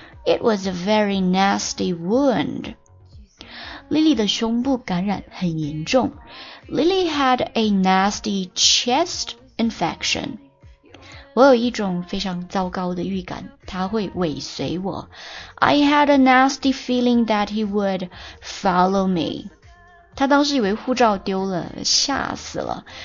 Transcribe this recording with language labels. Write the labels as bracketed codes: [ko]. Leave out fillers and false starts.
[en] It was a very nasty wound. [zh] Lily 的胸部感染很严重。 [en] Lily had a nasty chest infection. [zh] 我有一种非常糟糕的预感，他会尾随我。 [en] I had a nasty feeling that he would follow me. [zh] 他当时以为护照丢了，吓死了。